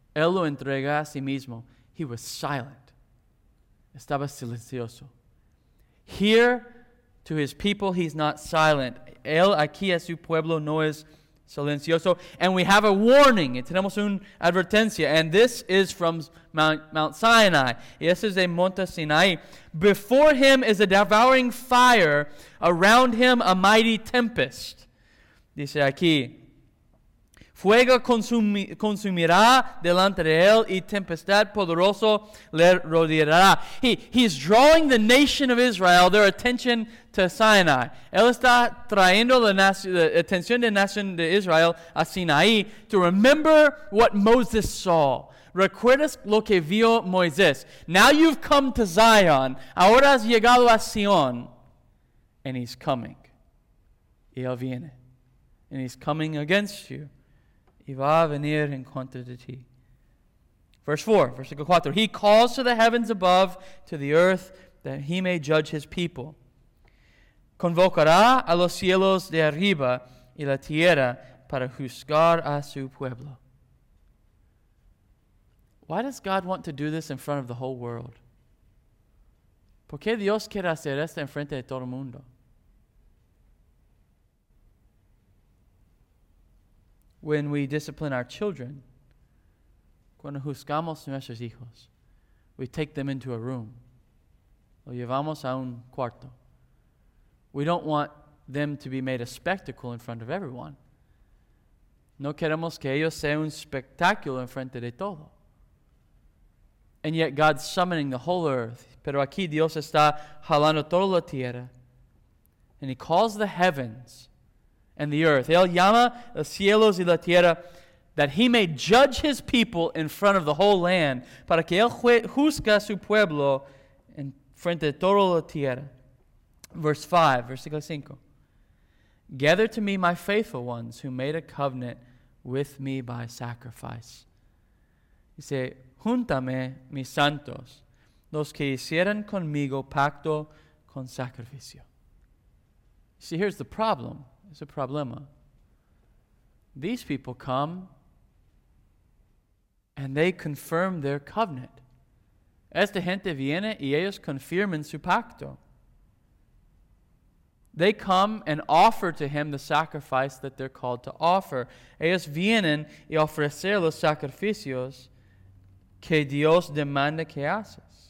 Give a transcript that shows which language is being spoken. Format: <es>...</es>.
<es>Él lo entrega a sí mismo.</es> <en>He was silent.</en> <es>Estaba silencioso.</es> <en>Here, to His people, He's not silent.</en> <es>Él aquí a su pueblo no es silencioso.</es> <en>And we have a warning.</en> <es>Tenemos una advertencia.</es> <en>And this is from Mount Sinai.</en> <es>Y este es de Monte Sinai.</es> <en>Before Him is a devouring fire. Around Him a mighty tempest.</en> <es>Dice aquí. Fuego consumirá delante de él y tempestad poderoso le rodeará.</es> <en>He's drawing the nation of Israel, their attention to Sinai.</en> <es>Él está trayendo la atención de la nación de Israel a Sinaí</es> <en>to remember what Moses saw.</en> <es>Recuerdas lo que vio Moisés.</es> <en>Now you've come to Zion.</en> <es>Ahora has llegado a Sion.</es> <en>And he's coming.</en> <es>Y él viene.</es> <en>And he's coming against you.</en> <es>Y va a venir en contra de ti.</es> <en>Verse 4. He calls to the heavens above, to the earth, that he may judge his people.</en> <es>Convocará a los cielos de arriba y la tierra para juzgar a su pueblo.</es> <en>Why does God want to do this in front of the whole world?</en> <es>¿Por qué Dios quiere hacer esto en frente de todo el mundo?</es> <en>When we discipline our children,</en> <es>cuando juzgamos nuestros hijos,</es> <en>we take them into a room.</en> <es>Lo llevamos a un cuarto.</es> <en>We don't want them to be made a spectacle in front of everyone.</en> <es>No queremos que ellos sean un espectáculo en frente de todo.</es> <en>And yet God's summoning the whole earth.</en> <es>Pero aquí Dios está jalando toda la tierra.</es> <en>And he calls the heavens and the earth.</en> <es>Él llama los cielos y la tierra</es> <en>that he may judge his people in front of the whole land.</en> <es>Para que él juzga su pueblo en frente de toda la tierra.</es> <en>Verse 5. Gather to me my faithful ones who made a covenant with me by sacrifice.</en> <es>Dice, júntame mis santos, los que hicieron conmigo pacto con sacrificio.</es> <en>See, here's the problem. It's a problema. These people come and they confirm their covenant.</en> <es>Esta gente viene y ellos confirman su pacto.</es> <en>They come and offer to him the sacrifice that they're called to offer.</en> <es>Ellos vienen y ofrecer los sacrificios que Dios demanda que haces.</es>